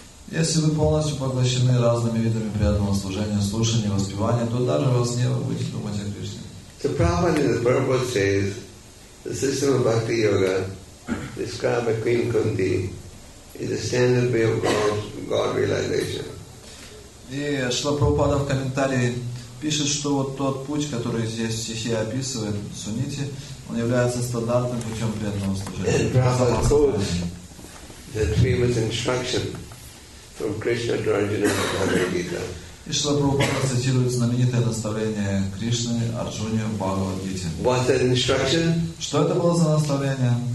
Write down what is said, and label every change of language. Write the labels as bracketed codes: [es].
[ru] Если вы полностью поглощены разными видами преданного служения, слушания, воспевания, то даже во сне вы будете думать о Кришне. [en] So Prabhupada in the Purport says, the system of Bhakti Yoga described by Queen Kunti is the standard way of God realization. [ru] И Шрила Прабхупада в комментарии пишет, что вот тот путь, который здесь в стихе описывает Сунити, он является стандартным путем преданного служения. [en] Prabhupada quotes the famous instruction from Krishna to Arjuna in the Bhagavad Gita. [ru] И Шрила Прабхупада цитирует знаменитое наставление Кришны Арджуне в Бхагавад Гите. [en] What's that instruction? [ru] Что это было за наставление?